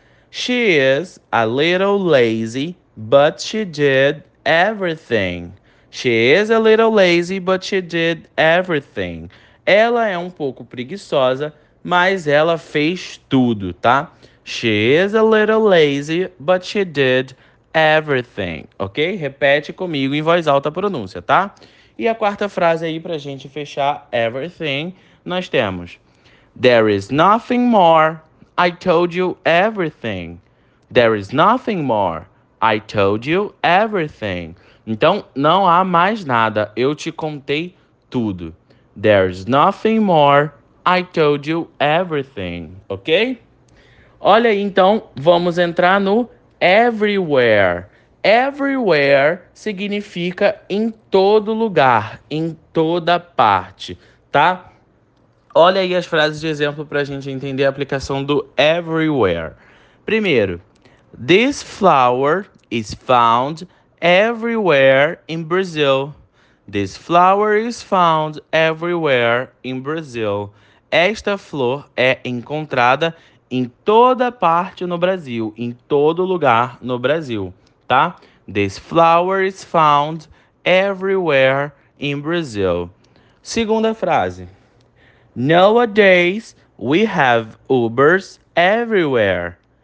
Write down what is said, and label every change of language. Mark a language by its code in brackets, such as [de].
[en] She is a little lazy, but she did everything. She is a little lazy, but she did everything. [pt] Ela é um pouco preguiçosa, mas ela fez tudo, tá? [en] She is a little lazy, but she did everything. Ok? [pt] Repete comigo em voz alta a pronúncia, tá? E a quarta frase aí para a gente fechar everything, nós temos. [en] There is nothing more. I told you everything. There is nothing more. I told you everything. [pt] Então, não há mais nada. Eu te contei tudo. [en] There is nothing more. I told you everything. Ok? [pt] Olha aí, então, vamos entrar no everywhere. Everywhere significa em todo lugar, em toda parte, tá? Olha aí as frases de exemplo para a gente entender a aplicação do everywhere. [en] Primeiro, this flower is found everywhere in Brazil. This flower is found everywhere in Brazil. [pt] Esta flor é encontrada em toda parte no Brasil, em todo lugar no Brasil, tá? [en] This flower is found everywhere in Brazil. [pt] Segunda frase. [en] Nowadays, we have Ubers everywhere.